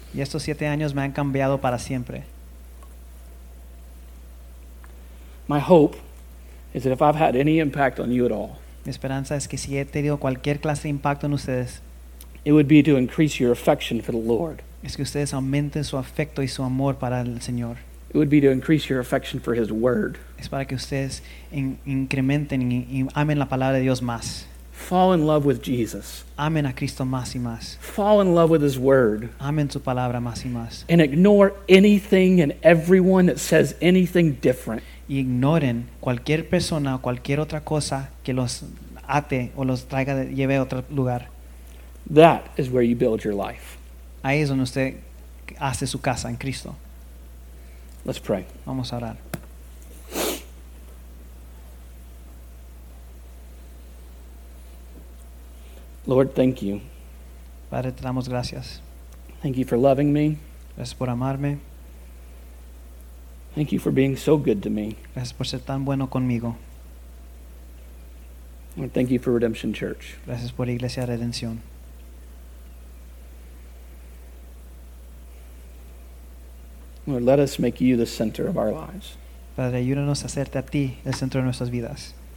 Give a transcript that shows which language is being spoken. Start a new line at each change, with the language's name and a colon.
Spanish: Y estos 7 años me han cambiado para siempre.
English: My hope is that if I've had any impact on you at all,
Spanish: mi esperanza es que si he tenido cualquier clase de impacto en ustedes,
English: it would be to increase your affection for the Lord.
Spanish: Es que ustedes aumenten su afecto y su amor para el Señor.
English: It would be to increase your affection for His Word.
Spanish: Es para que ustedes incrementen y amen la palabra de Dios más.
English: Fall in love with Jesus.
Spanish: Amen a Cristo más y más.
English: Fall in love with His Word.
Spanish: Amen su palabra más y más.
English: And ignore anything and everyone that says anything different.
Spanish: Y ignoren cualquier persona o cualquier otra cosa que los ate o los traiga lleve a otro lugar.
English: That is where you build your life.
Spanish: Ahí es donde usted hace su casa en Cristo.
English: Let's pray.
Spanish: Vamos a orar.
English: Lord, thank you.
Spanish: Padre, te damos gracias.
English: Thank you for loving me.
Spanish: Gracias por amarme.
English: Thank you for being so good to me.
Spanish: Gracias por ser tan bueno conmigo.
English: And thank you for Redemption Church.
Spanish: Gracias por Iglesia Redención.
English: Lord, let us make you the center of our lives.
Spanish: Padre, ayúdanos a hacerte a ti el centro de nuestras vidas.